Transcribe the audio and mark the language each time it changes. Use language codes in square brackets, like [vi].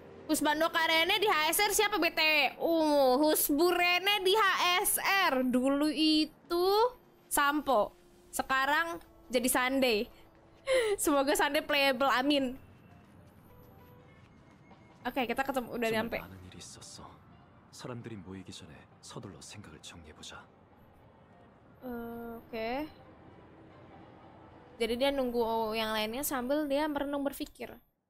[id] Husbando Karene di HSR siapa BTW? Husburene di HSR. Dulu itu Sampo. Sekarang jadi Sunday. Semoga Sunday playable, amin. Oke, kita ketemu udah nyampe. Sebenarnya ada yang terjadi. [ko] 사람들이 모이기 전에 서둘러 생각을 정리해 보자. [id] Oke. Jadi dia nunggu yang lainnya sambil dia merenung berpikir.